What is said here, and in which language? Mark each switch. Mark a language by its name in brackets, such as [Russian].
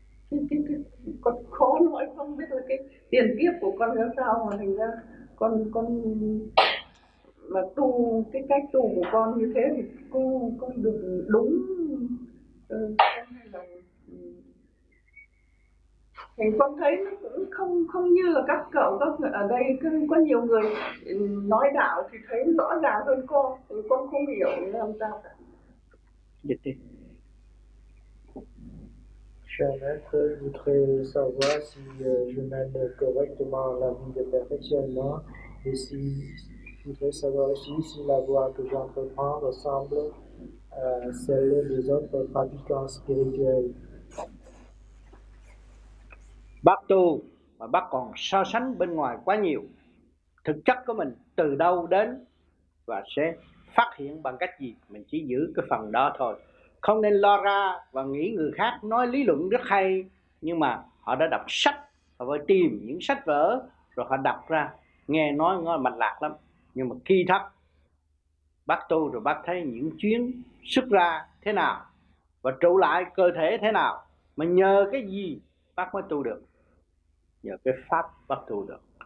[Vietnamese] cái con khó nói, không biết là cái tiền kiếp của con ra sao, mà thành ra con mà tu cái cách tu của con như thế thì con được đúng hay là, thì con thấy nó cũng không như là các cậu các người ở đây, có nhiều người nói đạo thì thấy rõ ràng hơn con, thì con không hiểu làm sao cả. Dịch đi. [French] Cher maître, je voudrais savoir si je mène correctement la vie de perfectionnement, et si je voudrais savoir aussi si la voie que j'entreprends ressemble à celle des autres pratiquants spirituels. [Vietnamese] Bắt tu mà bắt còn so sánh bên ngoài quá nhiều, thực chất của mình từ đâu đến và sẽ phát hiện bằng cách gì, mình chỉ giữ cái phần đó thôi. Không nên lo ra và nghĩ người khác nói lý luận rất hay, nhưng mà họ đã đọc sách, họ phải tìm những sách vở rồi họ đọc ra, nghe nói nghe mạch lạc lắm, nhưng mà khi thật bác tu rồi bác thấy những chuyến xuất ra thế nào và trụ lại cơ thể thế nào, mà nhờ cái gì bác mới tu được, nhờ cái pháp bác tu được.